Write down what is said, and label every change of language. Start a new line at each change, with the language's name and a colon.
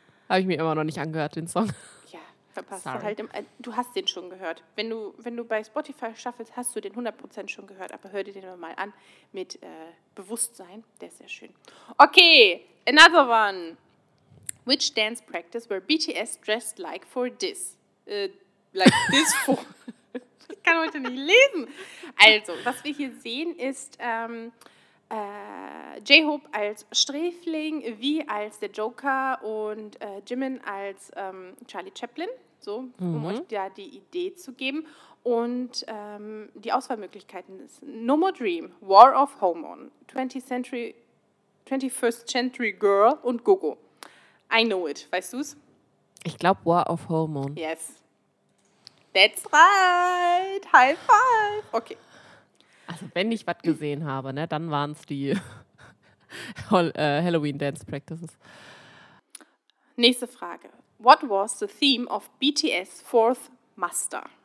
German: Habe ich mir immer noch nicht angehört, den Song. Ja, verpasst. Sorry. Halt im, du hast den schon gehört. Wenn du bei Spotify schaffst, hast du den 100% schon gehört. Aber hör dir den mal an mit Bewusstsein. Der ist sehr schön.
English: Okay, another one. Which dance practice were BTS dressed like for this? Like this for...
German: Ich kann heute nicht lesen. Also, was wir hier sehen, ist J-Hope als Sträfling, V als der Joker und Jimin als Charlie Chaplin, so, um euch da die Idee zu geben. Und die Auswahlmöglichkeiten sind No More Dream, War of Hormon, 21st Century Girl und Gogo.
English: I know it,
German: weißt du's? Ich glaube War of Hormon.
English: Yes. That's right! High five! Okay.
German: Also wenn ich was gesehen habe, ne, dann waren es die Halloween Dance Practices. Nächste Frage.
English: What was the theme of BTS Fourth Muster?